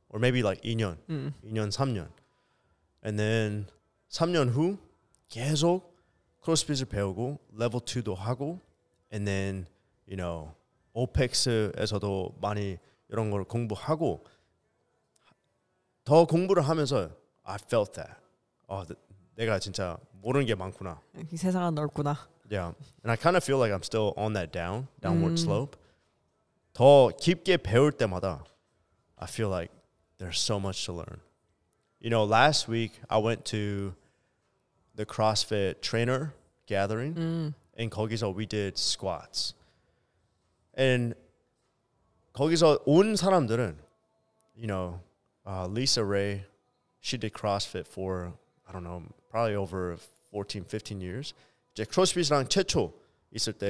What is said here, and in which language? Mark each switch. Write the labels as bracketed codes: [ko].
[en] or maybe like [ko] 2년, 2년, 3년. [en] And then [ko] 3년 후 계속 크로스핏을 배우고 레벨 2도 하고 [en] and then, you know, [ko] OPEX에서도 많이 이런 걸 공부하고 더 공부를 하면서 [en] I felt that. [ko] 내가 진짜 모르는 게 많구나. 이 세상은 넓구나. [en] Yeah. And I kind of feel like I'm still on that downward slope. [ko] 더 깊게 배울 때마다 [en] I feel like there's so much to learn. You know, last week I went to the CrossFit trainer gathering and [ko] 거기서 [en] we did squats. And [ko] 거기서 온 사람들은 [en] you know, Lisa Ray, she did CrossFit for I don't know, probably over 14, 15 years. [ko] 이제 크로스핏이랑 최초 있을 때